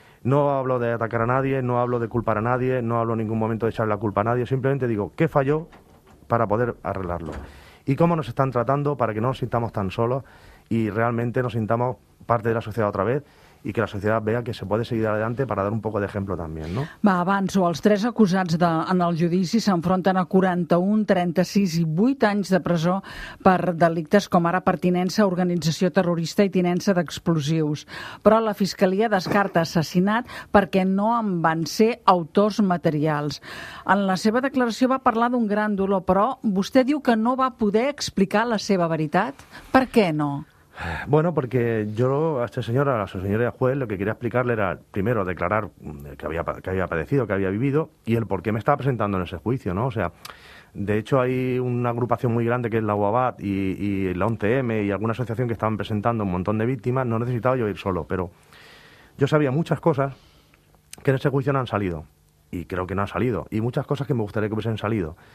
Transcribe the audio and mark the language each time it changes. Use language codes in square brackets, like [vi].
[es] No hablo de atacar a nadie, no hablo de culpar a nadie, no hablo en ningún momento de echar la culpa a nadie, simplemente digo, ¿qué falló para poder arreglarlo? ¿Y cómo nos están tratando para que no nos sintamos tan solos y realmente nos sintamos parte de la sociedad otra vez [ca] i que la societat [es] vea que se puede seguir adelante para dar un poco de ejemplo también, ¿no? [ca] Va, avanço. Els tres acusats en el judici s'enfronten a 41, 36 i 8 anys de presó per delictes com ara pertinença a organització terrorista i tinença d'explosius. Però la fiscalia descarta assassinat perquè no en van ser autors materials. En la seva declaració va parlar d'un gran dolor, però vostè diu que no va poder explicar la seva veritat. Per què no? [es] Bueno, porque yo a su señoría juez, lo que quería explicarle era, primero, declarar que había padecido, que había vivido, y el por qué me estaba presentando en ese juicio, ¿no? O sea, de hecho hay una agrupación muy grande que es la UABAT y la 11M y alguna asociación que estaban presentando un montón de víctimas, no necesitaba yo ir solo, pero yo sabía muchas cosas que en ese juicio no han salido, y creo que no han salido, y muchas cosas que me gustaría que hubiesen salido.